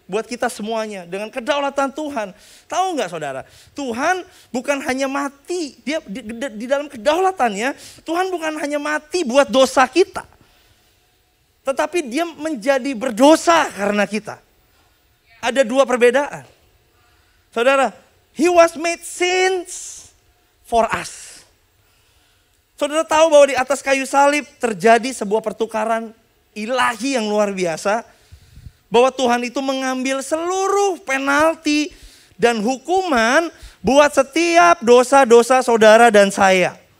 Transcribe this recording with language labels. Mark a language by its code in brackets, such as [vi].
[id] Buat kita semuanya dengan kedaulatan Tuhan. Tahu enggak, saudara? Tuhan bukan hanya mati, dia di dalam kedaulatannya, Tuhan bukan hanya mati buat dosa kita. Tetapi dia menjadi berdosa karena kita. Ada dua perbedaan. [en] Saudara, he was made sins for us. [id] Saudara tahu bahwa di atas kayu salib terjadi sebuah pertukaran ilahi yang luar biasa. Bahwa Tuhan itu mengambil seluruh penalti dan hukuman buat setiap dosa-dosa saudara dan saya.